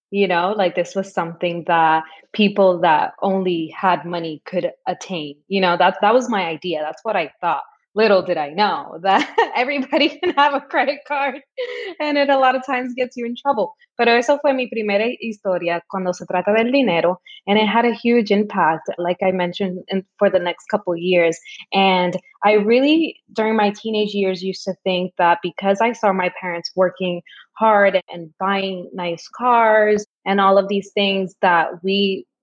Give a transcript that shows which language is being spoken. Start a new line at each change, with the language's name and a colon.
English: You know, like this was something that people that only had money could attain. You know, that was my idea. That's what I thought. Little did I know that everybody can have a credit card and it a lot of times gets you in trouble.
Spanish: Pero eso fue mi primera historia cuando se trata del dinero.
English: And it had a huge impact, like I mentioned, for the next couple of years. And I really, during my teenage years, used to think that because I saw my parents working hard and buying nice cars and all of these things that we